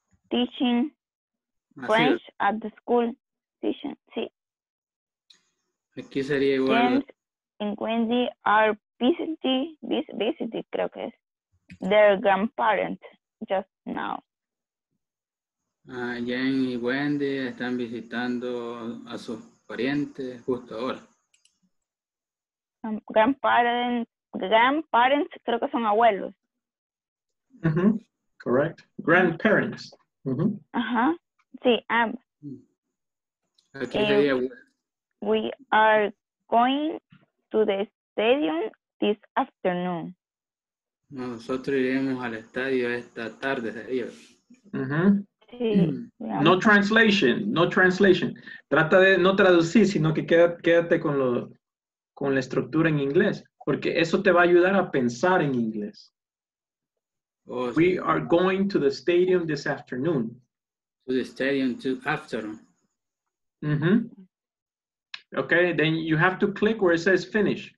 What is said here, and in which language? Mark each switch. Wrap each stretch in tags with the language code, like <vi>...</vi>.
<en>Teaching French at the school. Teaching, sí.</en> <es>Aquí sería igual.</es> <en>James and Wendy are visiting,</en> <es>creo que es,</es> <en>their grandparents just now.</en> <es>James y Wendy están visitando a sus parientes justo ahora. Grandparents, creo que son abuelos.</es> <en>Mm-hmm. Correct. Grandparents. Uh-huh. Ajá, sí,</en> <es>aquí sería.</es> <en>We are going to the stadium this afternoon.</en> <es>Nosotros iremos al estadio esta tarde, sería. Uh-huh. Sí.</es> <en>No translation.</en> <es>Trata de no traducir, sino que quédate con la estructura en inglés, porque eso te va a ayudar a pensar en inglés. Oh,</es> <en>we are going to the stadium this afternoon. To the stadium this afternoon. Mm-hmm. Okay, then you have to click where it says finish.</en>